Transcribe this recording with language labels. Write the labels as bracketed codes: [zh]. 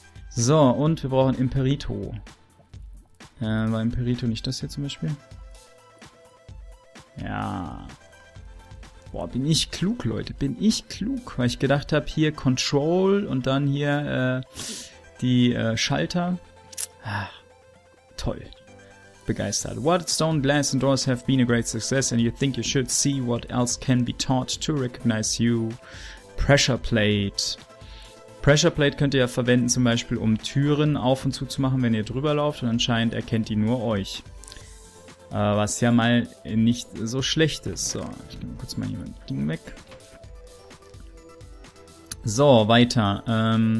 [de] So, und wir brauchen Imperito. War Imperito nicht das hier zum Beispiel? Ja. Boah, bin ich klug, Leute. Bin ich klug. Weil ich gedacht habe, hier Control und dann hier Schalter. Ah, toll. Begeistert. [en] Warded Stone, Glass and Doors have been a great success and you think you should see what else can be taught to recognize you. Pressure Plate. [de] Pressure Plate könnt ihr ja verwenden, zum Beispiel um Türen auf und zu machen, wenn ihr drüber lauft, und anscheinend erkennt die nur euch. Was ja mal nicht so schlecht ist. So, ich nehme kurz mal hier mein Ding weg. So, weiter.